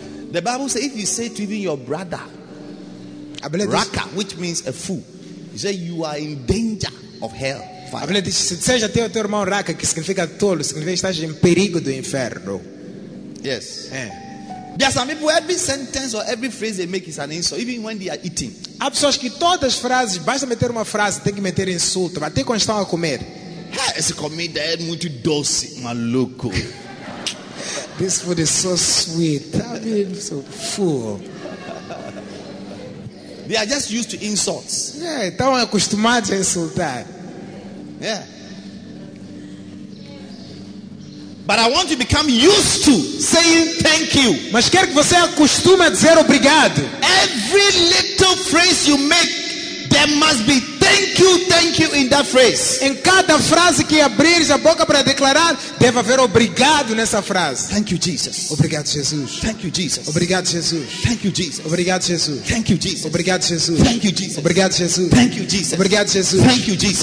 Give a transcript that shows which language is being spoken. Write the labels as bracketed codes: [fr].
[en] The Bible says, if you say to even your brother, [pt] a Bíblia diz, [en] raka, which means a fool, you say you are in danger of hell. [pt] A Bíblia diz, se disseres até ao teu irmão raka, que significa tolo, significa que estás em perigo do inferno. [en] Yes. Yeah. There are some people, every sentence or every phrase they make is an insult, even when they are eating. [pt] Há pessoas que todas as frases, basta meter uma frase, tem que meter insulto, até quando estão a comer. Esse comida é muito doce, maluco. [en] This food is so sweet. I mean, so full. They are just used to insults. [pt] Yeah, estão acostumados a insultar. [en] Yeah. But I want to become used to saying thank you. [pt] Mas quero que você acostume a dizer obrigado. [en] Every little phrase you make, there must be thank you. thank you in that phrase. [pt] Em cada frase que abrires a boca para declarar, deve haver obrigado nessa frase. [en] Thank you Jesus. [pt] Obrigado Jesus. [en] Thank you Jesus. [pt] Obrigado Jesus. [en] Thank you Jesus. [pt] Obrigado Jesus. [en] Thank you Jesus. [pt] Obrigado Jesus. [en] Thank you Jesus. [pt] Obrigado Jesus. [en] Thank you Jesus. [pt] Obrigado Jesus. [en] Thank you Jesus.